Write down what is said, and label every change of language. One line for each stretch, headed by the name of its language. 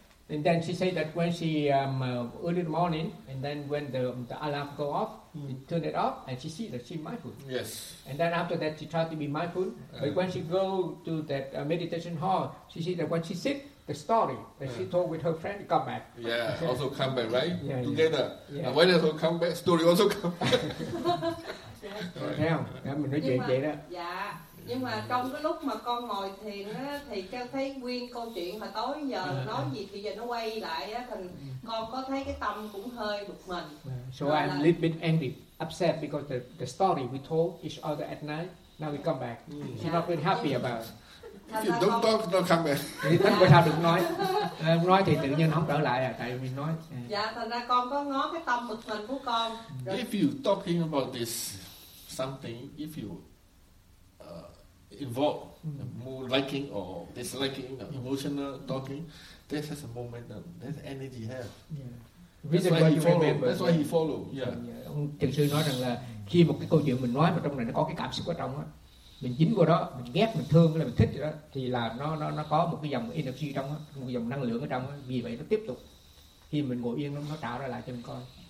English: And then she said that when she early in the morning, and then when the alarm go off, she turned it off, and she sees that she's mindful. Yes. And then after that, she tried to be mindful. But when she go to that meditation hall, she sees that when she sit, the story that she told with her friend come back. Yeah, also come back, right? Together. Yeah. And when it come back, story also come back.
Vietnamese: Thấy không? Đó, mình nói chuyện vậy đó. Dạ. Nhưng mà trong cái lúc mà con ngồi thiền á, thì cho thấy nguyên câu chuyện mà tối giờ nói gì thì giờ nó quay lại á, thành con có thấy cái tâm cũng hơi bực mình.
English: So rồi I'm a little bit angry, upset because the story we told each other at night, now we come back. She's not been happy about it. Don't talk, don't come back.
Vietnamese: Thì thân người ta được nói thì tự nhiên không trở lại à, tại mình nói. Dạ, thành ra con có ngó cái tâm bực mình của con. Rồi.
English: If you talking about this something, if you involve more liking or disliking, emotional talking, this has a momentum, this energy have. Yeah. That's why he follow. Yeah.
Vietnamese: Ông thiền sư nói rằng là khi một cái câu chuyện mình nói mà trong này nó có cái cảm xúc ở trong á, mình dính vào đó, mình ghét, mình thương, là mình thích đó, thì là nó có một cái dòng energy trong đó, một dòng năng lượng ở trong đó. Vì vậy nó tiếp tục khi mình ngồi yên nó trả ra lại cho mình coi.